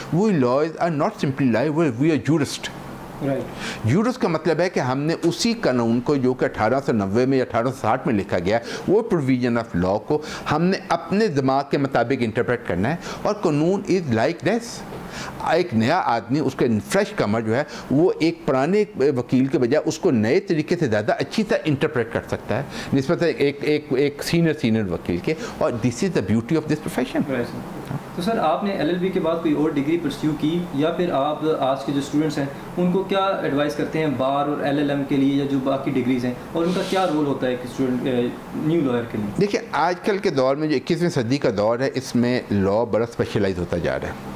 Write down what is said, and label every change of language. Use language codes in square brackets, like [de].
[en] We lawyers are not simply lawyer, we are jurist. [ur] جورس کا مطلب ہے کہ ہم نے اسی قانون کو جو کہ 1890 میں یا 1860 میں لکھا گیا، وہ پروویژن آف لا کو ہم نے اپنے دماغ کے مطابق انٹرپریٹ کرنا ہے. اور قانون [en] is like this, [ur] ایک نیا آدمی، اس کے فریش کمر جو ہے وہ ایک پرانے وکیل کے بجائے اس کو نئے طریقے سے زیادہ اچھی طرح انٹرپریٹ کر سکتا ہے نسبت ایک سینئر وکیل کے. [en] اور this is the beauty of this profession. [ur] تو سر، آپ نے ایل ایل بی کے بعد کوئی اور ڈگری پرسیو کی، یا پھر آپ آج کے جو اسٹوڈنٹس ہیں ان کو کیا ایڈوائز کرتے ہیں بار اور ایل ایل ایم کے لیے، یا جو باقی ڈگریز ہیں، اور ان کا کیا رول ہوتا ہے ایک اسٹوڈنٹ نیو لائر کے لیے؟ دیکھیں آج کل کے دور میں جو 21ویں صدی کا دور ہے، اس میں لا بڑا اسپیشلائز ہوتا جا رہا ہے.